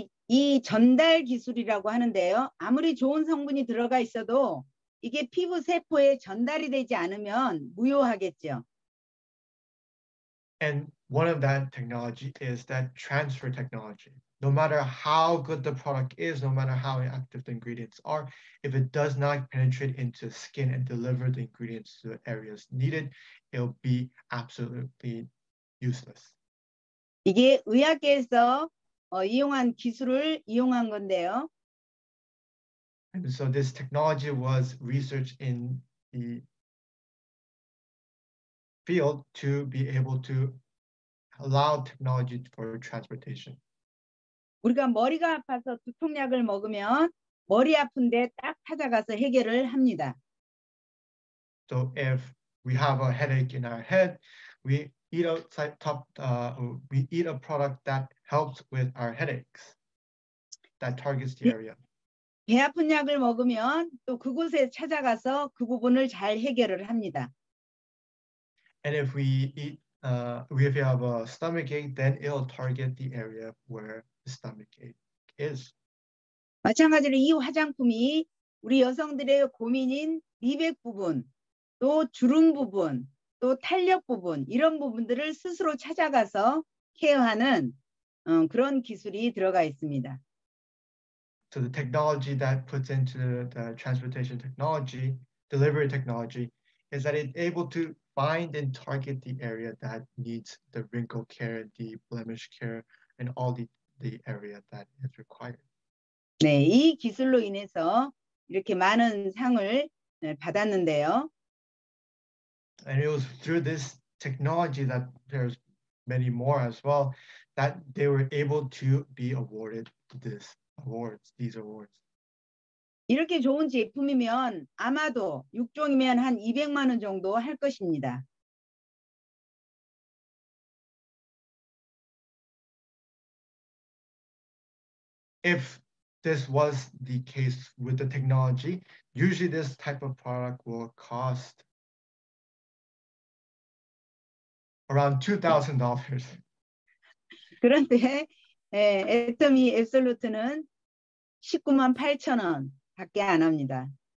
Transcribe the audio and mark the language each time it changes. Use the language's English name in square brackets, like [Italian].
[Korean] 이 전달 기술이라고 하는데요. 아무리 좋은 성분이 들어가 있어도 이게 피부 세포에 전달이 되지 않으면 무효하겠죠. [English] And one of that technology is that transfer technology. No matter how good the product is, no matter how active the ingredients are, if it does not penetrate into skin and deliver the ingredients to the areas needed, it'll be absolutely useless. [Korean] 이게 의학계에서 이용한 기술을 이용한 건데요. [English] And so this technology was researched in the field to be able to allow technology for transportation. [Korean] 우리가 머리가 아파서 두통약을 먹으면 머리 아픈데 딱 찾아가서 해결을 합니다. [English] So if we have a headache in our head, we eat a product that helps with our headaches, that targets the area. [Korean] 배 아픈 약을 먹으면 또 그곳에 찾아가서 그 부분을 잘 해결을 합니다. [English] And if we eat, if we have a stomach ache, then it'll target the area where the stomach ache is. [Korean] 마찬가지로 이 화장품이 우리 여성들의 고민인 미백 부분, 또 주름 부분, 또 탄력 부분 이런 부분들을 스스로 찾아가서 케어하는 그런 기술이 들어가 있습니다. [English] So the technology that puts into the transportation technology, delivery technology, is that it's able to find and target the area that needs the wrinkle care, the blemish care, and all the area that is required. [Korean] 네, 이 기술로 인해서 이렇게 많은 상을 받았는데요. [English] And it was through this technology that there's many more as well, that they were able to be awarded this awards, these awards. [Korean] 이렇게 좋은 제품이면 아마도 6종이면 한 200만 원 정도 할 것입니다. [English] If this was the case with the technology, usually this type of product will cost around $2,000. [Korean] 그런데 애터미 앱솔루트는 19만 8천 원 밖에 안 합니다.